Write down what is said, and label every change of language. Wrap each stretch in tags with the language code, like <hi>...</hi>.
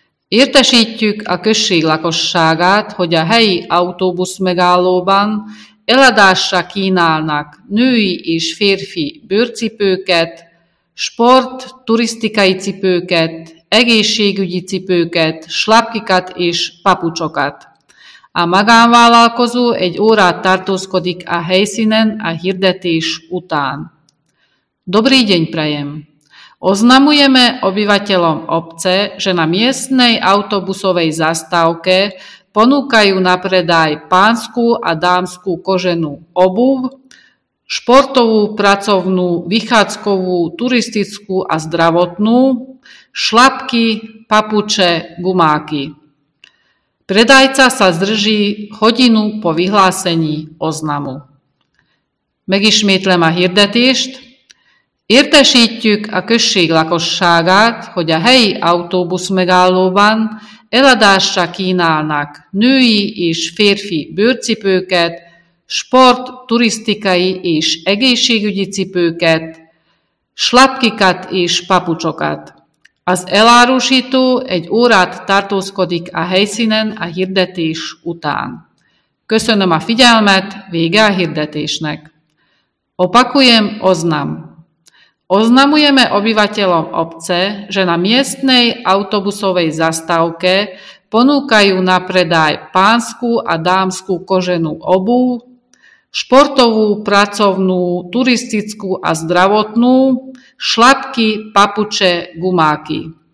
<hu>Értesítjük a község lakosságát, hogy a helyi autóbusz megállóban eladásra kínálnak női és férfi bőrcipőket, sport, turisztikai cipőket, egészségügyi cipőket, slapkikat és papucsokat. A magánvállalkozó egy órát tartózkodik a helyszínen a hirdetés után.</hu> <sk>Dobrý deň prajem! Oznamujeme obyvateľom obce, že na miestnej autobusovej zastávke ponúkajú na predaj pánsku a dámsku koženú obuv, športovú, pracovnú, vychádzkovú, turistickú a zdravotnú, šlapky, papuče, gumáky. Predajca sa zdrží hodinu po vyhlásení oznamu.</sk> <hu>Megismétlem a hirdetést. Értesítjük a község lakosságát, hogy a helyi autóbusz megállóban eladásra kínálnak női és férfi bőrcipőket, sport, turisztikai és egészségügyi cipőket, slapkikat és papucsokat. Az elárusító egy órát tartózkodik a helyszínen a hirdetés után. Köszönöm a figyelmet, vége a hirdetésnek.</hu> <sk>Opakujem, oznam. Oznamujeme obyvateľom obce, že na miestnej autobusovej zastávke ponúkajú na predaj pánsku a dámsku koženú obuv, športovú, pracovnú, turistickú a zdravotnú, šlapky, papuče, gumáky.</sk>